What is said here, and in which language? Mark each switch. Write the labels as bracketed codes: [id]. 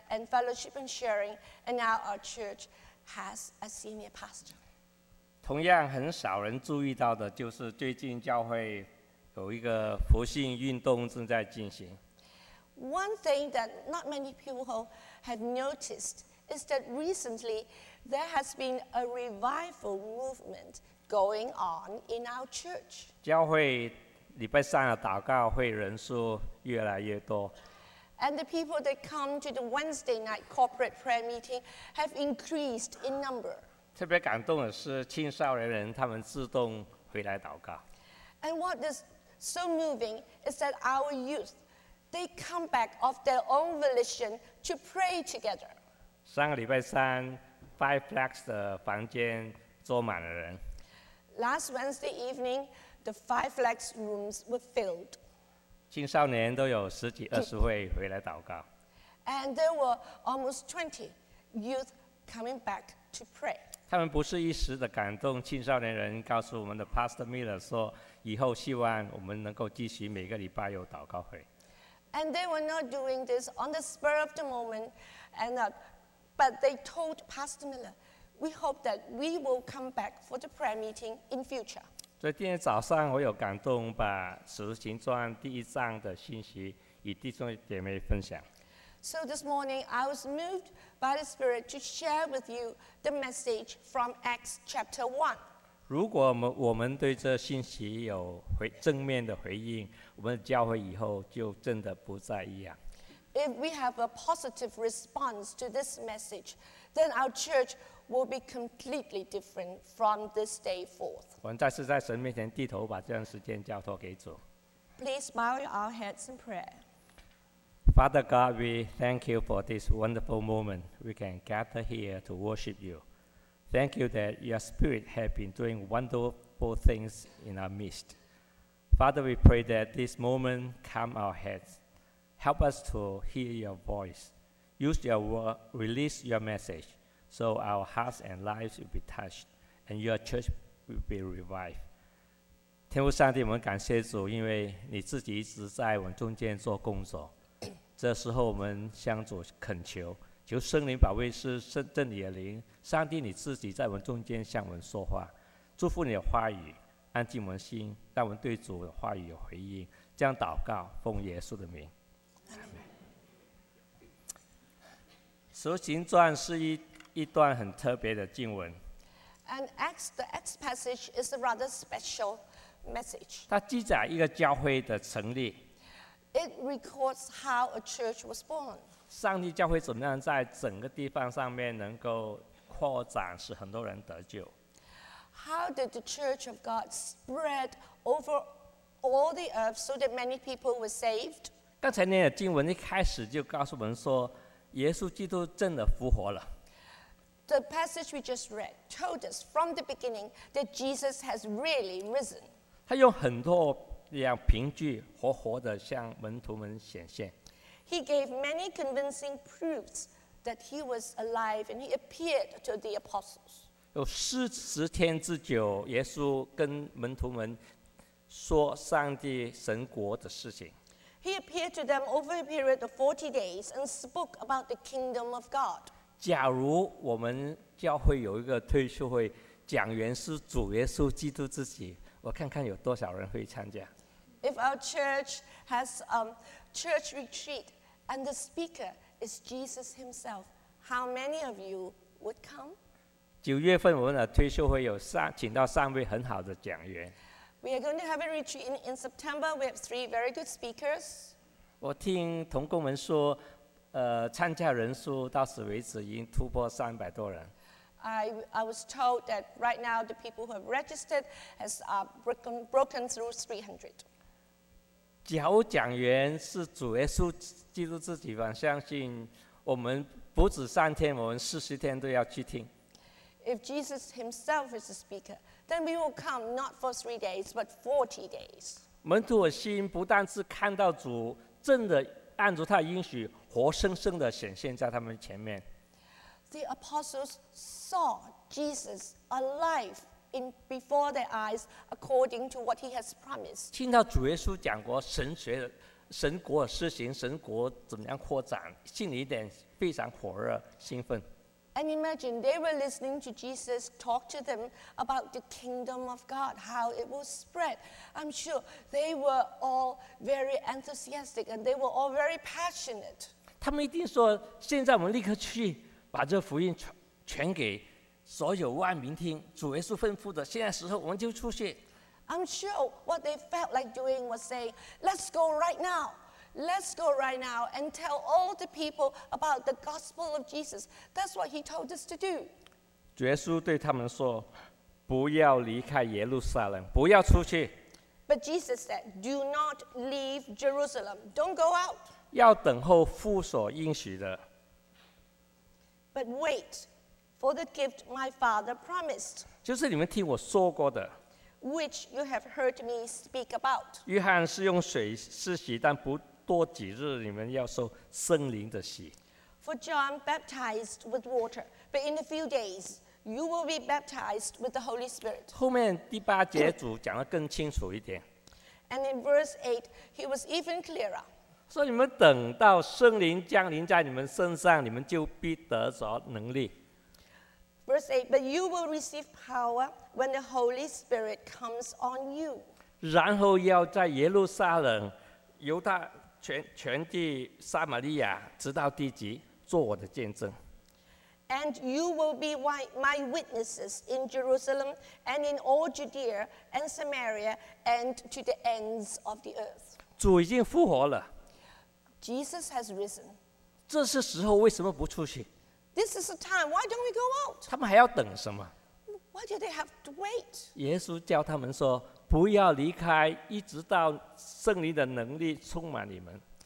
[en] and fellowship and sharing, and now our church has a senior pastor. [zh] 同样很少人注意到的就是最近教会有一个复兴运动正在进行。 [en] One thing that not many people have noticed is that recently there has been a revival movement going on in our church. [zh] 教会礼拜三的祷告会人数越来越多。 [en] And the people that come to the Wednesday night corporate prayer meeting have increased in number. [zh] 特别感动的是青少年人他们自动回来祷告。 [en] And what is so moving is that our youth, they come back of their own volition to pray together. [zh] 上个礼拜三 ,Five Flags 的房间坐满了人。 [en] Last Wednesday evening, the Five Flags rooms were filled. [zh] 青少年都有十几二十位回来祷告。 [en] And there were almost 20 youth coming back to pray. [zh] 他们不是一时的感动，青少年人告诉我们的 Pastor Miller 说，以后希望我们能够继续每个礼拜有祷告会。 [en] And they were not doing this on the spur of the moment, and but they told Pastor Miller, we hope that we will come back for the prayer meeting in future. [zh] 昨天早上我有感动，把《使徒行传》第一章的信息与弟兄姐妹分享。 [en] So this morning, I was moved by the Spirit to share with you the message from Acts chapter 1. [zh] 如果我们对这信息有正面的回应，我们的教会以后就真的不再一样。 [en] If we have a positive response to this message, then our church will be completely different from this day forth. [zh] 我们再次在神面前低头，把这段时间交托给主。 [en] Please bow our heads in prayer. Father God, we thank you for this wonderful moment we can gather here to worship you. Thank you that your Spirit has been doing wonderful things in our midst. Father, we pray that this moment calm our heads. Help us to hear your voice. Use your word, release your message, so our hearts and lives will be touched, and your church will be revived. [zh] 天父上帝，我们感谢主，因为你自己一直在我们中间做工作。这时候我们向主恳求，求圣灵把位是圣真理的灵，上帝你自己在我们中间向我们说话，祝福你的话语，安静我们心，让我们对主的话语有回应。这样祷告，奉耶稣的名。 《使徒行传》是一段很特别的经文。 [en] And Acts, the Acts passage is a rather special message. [zh] 它记载一个教会的成立。 [en] It records how a church was born. [zh] 上帝教会怎么样在整个地方上面能够扩展，使很多人得救。 [en] How did the church of God spread over all the earth so that many people were saved? [zh] 刚才念的经文一开始就告诉我们说，耶稣基督真的复活了。 [en] The passage we just read told us from the beginning that Jesus has really risen. [zh] 他用很多这样凭据活活地向门徒们显现。 [en] He gave many convincing proofs that he was alive, and he appeared to the apostles. [zh] 有40天之久，耶稣跟门徒们说上帝神国的事情。 [en] He appeared to them over a period of 40 days and spoke about the kingdom of God. [zh] 假如我们教会有一个退休会，讲员是主耶稣基督自己。我看看有多少人会参加。 [en] If our church has church retreat and the speaker is Jesus himself, how many of you would come? [zh] 九月份我们的退休会有请到三位很好的讲员。 [en] We are going to have a retreat in September. We have 3 very good speakers. [zh] 我听同工们说，参加人数到此为止已经突破300多人。 [en] I was told that right now the people who have registered has broken through 300. [zh] 假如讲员是主耶稣基督自己，我相信我们不止3天，我们40天都要去听。 [en] If Jesus himself is the speaker, then we will come not for 3 days, but 40 days. [zh] 门徒的心不但是看到主真的按着他的应许活生生的显现在他们前面。 [en] The apostles saw Jesus alive in before their eyes according to what he has promised. [zh] 听到主耶稣讲过神学神国施行，神国怎么样扩展，心里一点非常火热兴奋。 [en] And imagine they were listening to Jesus talk to them about the kingdom of God, how it will spread. I'm sure they were all very enthusiastic and they were all very passionate. [zh] 他们一定说，现在我们立刻去把这福音传给所有万民听。主耶稣吩咐的，现在时候我们就出去。 [en] I'm sure what they felt like doing was saying, "Let's go right now." Let's go right now and tell all the people about the gospel of Jesus. That's what he told us to do. [zh] 主耶稣对他们说，不要离开耶路撒冷，不要出去。 [en] But Jesus said, do not leave Jerusalem. Don't go out. [zh] 要等候父所应许的。 [en] But wait for the gift my father promised. [zh] 就是你们听我说过的。 [en] Which you have heard me speak about. [zh] 约翰是用水施洗，但不多几日，你们要受圣灵的洗。 [en] For John baptized with water, but in a few days you will be baptized with the Holy Spirit. [zh] 后面第八节主讲得更清楚一点。 [en] And in verse 8, he was even clearer. [zh] 说你们等到圣灵降临在你们身上，你们就必得着能力。 [en] Verse 8, but you will receive power when the Holy Spirit comes on you. [zh] 然后要在耶路撒冷、犹大。全地撒玛利亚直到地极，做我的见证。 [en] And you will be my witnesses in Jerusalem and in all Judea and Samaria and to the ends of the earth. [zh] 主已经复活了。 [en] Jesus has risen. [zh] 这是时候，为什么不出去？ [en] This is the time. Why don't we go out? [zh] 他们还要等什么？ [en] Why do they have to wait? [zh] 耶稣教他们说。不要离开，一直到圣灵的能力充满你们。